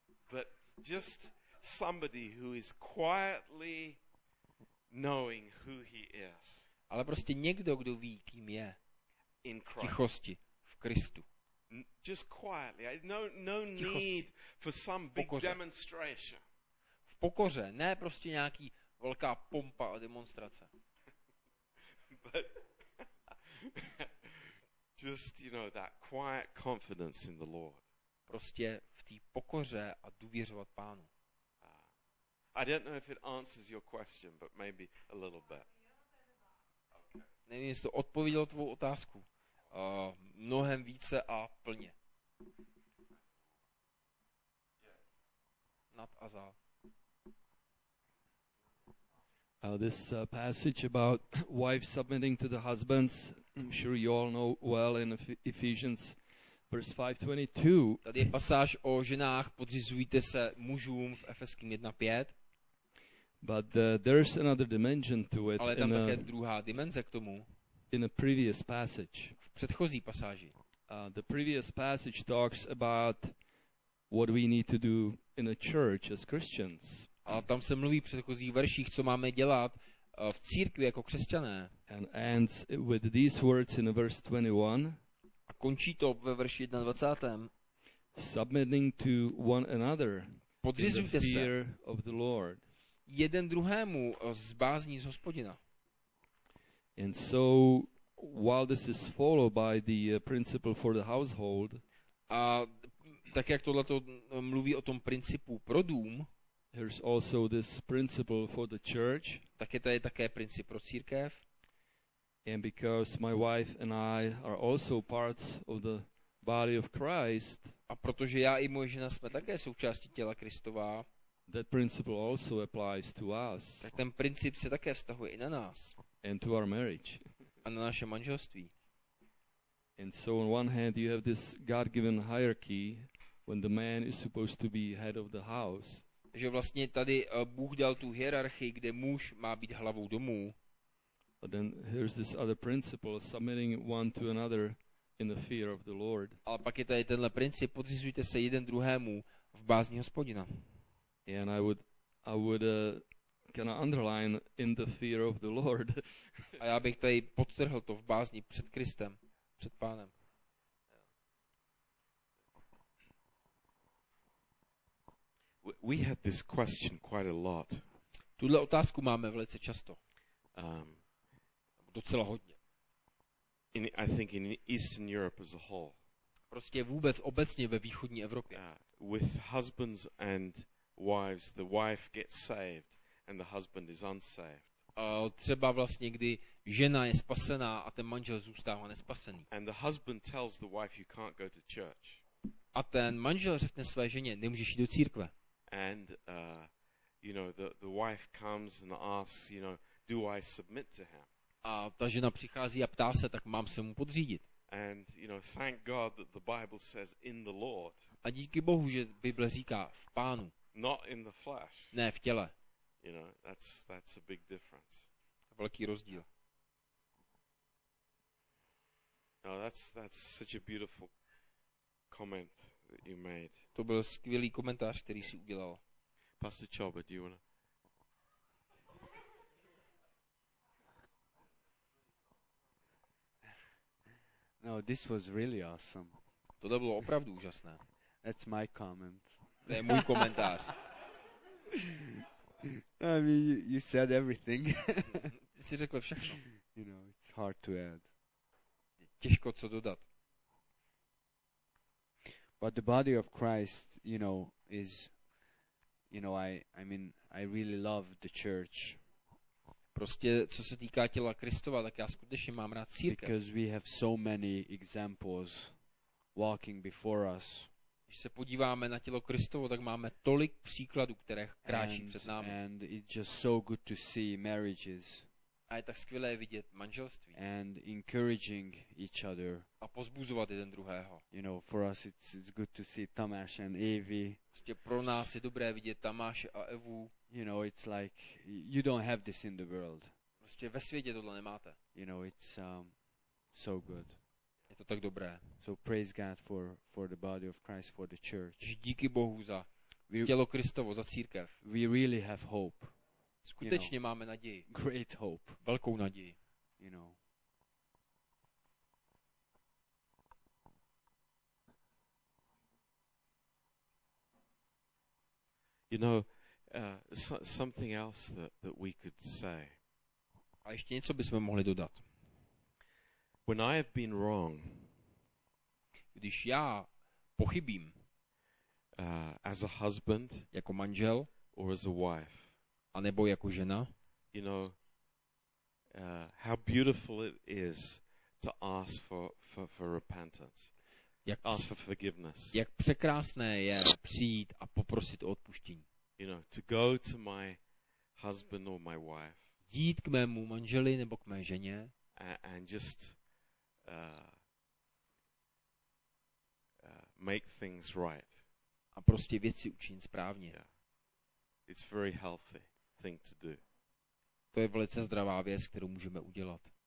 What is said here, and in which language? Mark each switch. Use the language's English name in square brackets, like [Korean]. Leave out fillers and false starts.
[English] But just somebody who is quietly knowing who he is. [Czech] Ale prostě někdo, kdo ví, kým je. [English] In Christ. [Czech] V tichosti, v Kristu. [English] Just quietly. No need for some big demonstration. [Czech] V pokoře, ne prostě nějaký velká pompa a demonstrace. [English] But just, you know, that quiet confidence in the Lord. [Czech] Prostě v té pokoře a důvěřovat Pánu. [English] I don't know if it answers your question, but maybe a little bit. [Czech] Nevím, jestli to odpovědělo tvou otázku. Mnohem více a plně. Nad a za. [English] This passage about wives submitting to the husbands, I'm sure you all know well in Ephesians. Verse 5:22. [Czech] Tady je pasáž o ženách, podřizujte se mužům v Efeským 1:5. [English] But there's another dimension to it. [Czech] Ale tam také druhá dimenze k tomu. [English] In a previous passage. [Czech] V předchozí pasáži. [English] The previous passage talks about what we need to do in a church as Christians. [Czech] A tam se mluví v předchozích verších, co máme dělat v církvi jako křesťané. [English] And ends with these words in verse 21. [Czech] A končí to ve verši 21. [English] Submitting to one another. [Czech] Podřizujte [English] in the fear se of the Lord. [Czech] Jeden druhému z bázní z Hospodina. [English] And so while this is followed by the principle for the household. [Czech] A tak jak tohle to mluví o tom principu pro dům. [English] There's also this principle for the church. [Czech] Tak je tady také princip pro církev. [English] And because my wife and I are also parts of the body of Christ. [Czech] A protože já i moje žena jsme také součástí těla Kristova. [English] That principle also applies to us. [Czech] Tak ten princip se také vztahuje i na nás. [English] And to our marriage. [Czech] A na naše manželství. [English] And so on one hand you have this God-given hierarchy when the man is supposed to be head of the house. [Czech] Že vlastně tady Bůh dal tu hierarchii, kde muž má být hlavou domu. [English] But then here's this other principle of submitting one to another in the fear of the Lord. [Czech] A pak je tady tenhle princip, podřizujte se jeden druhému v bázni Hospodina. [English] And I would kind of underline in the fear of the Lord. [Czech] A já bych tady podtrhl to v bázni před Kristem, před Pánem. [English] We had this question quite a lot. [Czech] Tuhle otázku máme velice často. docela hodně. [English] In, I think in Eastern Europe as a whole. [Czech] Prostě vůbec obecně ve východní Evropě. [English] With husbands and wives, the wife gets saved and the husband is unsaved. [Czech] Třeba vlastně, kdy žena je spasená a ten manžel zůstává nespasený. [English] And the husband tells the wife you can't go to church. [Czech] A ten manžel řekne své ženě, nemůžeš jít do církve. [English] And you know, the wife comes and asks, you know, do I submit to him? [Czech] A ta žena přichází a ptá se, tak mám se mu podřídit. [English] And you know, thank God that the Bible says in the Lord. [Czech] A díky Bohu, že Bible říká v Pánu. [English] Not in the flesh. [Czech] Ne v těle. [English] You know, that's a big difference. [Czech] Velký rozdíl. [English] No, that's such a beautiful comment that you made. [Czech] To byl skvělý komentář, který jsi udělal. [English] Pastor Chobot, do you want to? No, this was really awesome. [Czech] To bylo opravdu úžasné. [English] That's my comment. [Czech] To je můj komentář. [English] I mean, you said everything. [Czech] Ty jsi řekl všechno. [English] You know, it's hard to add. [Czech] Těžko co dodat. [English] But the body of Christ, you know, is, you know, I mean, I really love the church. [Czech] Prostě co se týká těla Kristova, tak já skutečně mám rád církev. [English] Because we have so many examples walking before us. [Czech] Když se podíváme na tělo Kristovo, tak máme tolik příkladů, které kráčí před námi. [English] And it's just so good to see marriages. [Czech] A je tak skvělé vidět manželství. [English] And encouraging each other. [Czech] A pozbuzovat jeden druhého. [English] You know, for us it's good to see Tomáš and Evy. [Czech] Prostě pro nás je dobré vidět Tomáše a Evu. [English] You know, it's like you don't have this in the world. [Czech] Prostě ve světě tohle nemáte. [English] You know, it's so good. [Czech] Je to tak dobré. [English] So praise God for the body of Christ, for the church. [Czech] Díky Bohu za tělo Kristovo, za církev. [English] We really have hope. [Czech] Skutečně máme naději. [English] Great hope. [Czech] Velkou naději. [English] You know. You know, something else that we could say. [Czech] A ještě něco bychom mohli dodat. [English] When I have been wrong, [Czech] když já pochybím, [English] as a husband, [Czech] jako manžel, [English] or as a wife, [Czech] a nebo jako žena, [English] you know, how beautiful it is to ask for repentance, ask for forgiveness. [Czech] Jak překrásné je přijít a poprosit o odpuštění. [English] You know, to go to my husband or my wife. [Czech] Jít k mému manželi nebo k mé ženě. [English] And just make things right. [Czech] A prostě věci učinit správně. [English] Yeah. It's very healthy thing to do. [Czech] To je velice zdravá věc, kterou můžeme udělat.